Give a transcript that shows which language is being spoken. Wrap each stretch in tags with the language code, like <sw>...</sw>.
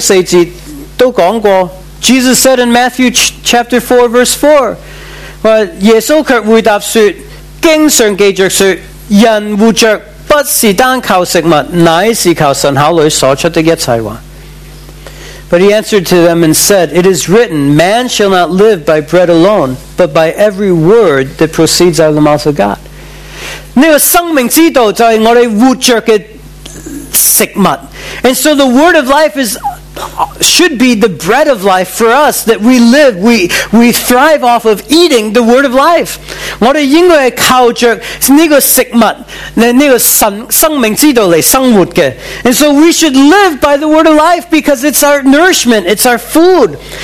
<zh>耶稣在马太福音4章4节都讲过，</zh> <en>Jesus said in Matthew chapter 4, verse 4,</en> <zh>耶稣却回答说，经常记着说，人活着不是单靠食物，乃是靠神口里所出的一切话。</zh> <en>But he answered to them and said, It is written, Man shall not live by bread alone, but by every word that proceeds out of the mouth of God.</en> <zh>那个生命之道就是我们活着的食物。</zh> <en>And so the word of life is, should be the bread of life for us, that we live, we thrive off of eating the word of life.</en> <zh>我们应该靠着这个食物，那个生命之道来生活的。</zh> <en>And so we should live by the word of life because it's our nourishment, it's our food.</en>